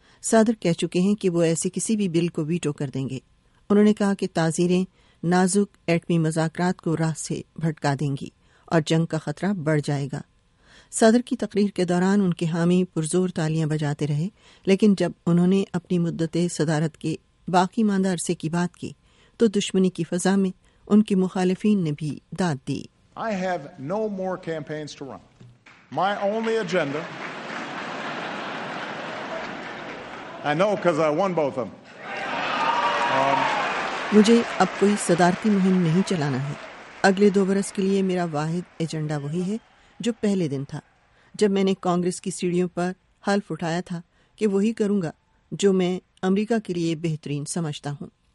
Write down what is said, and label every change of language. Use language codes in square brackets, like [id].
[ur] صدر کہہ چکے ہیں کہ وہ ایسے کسی بھی بل کو ویٹو کر دیں گے. انہوں نے کہا کہ تعزیریں نازک ایٹمی مذاکرات کو راہ سے بھٹکا دیں گی اور جنگ کا خطرہ بڑھ جائے گا. صدر کی تقریر کے دوران ان کے حامی پرزور تالیاں بجاتے رہے, لیکن جب انہوں نے اپنی مدت صدارت کے باقی ماندہ عرصے کی بات کی تو دشمنی کی فضا میں ان کے مخالفین نے بھی داد دی. [en] I have no more campaigns to run. My only agenda, I know because I won both of them. [ur] مجھے اب کوئی صدارتی مہم نہیں چلانا ہے. اگلے 2 برس کے لیے میرا واحد ایجنڈا وہی ہے جو پہلے دن تھا جب میں نے کانگریس کی سیڑھیوں پر حلف اٹھایا تھا کہ وہی کروں گا جو میں امریکہ کے لیے بہترین سمجھتا ہوں.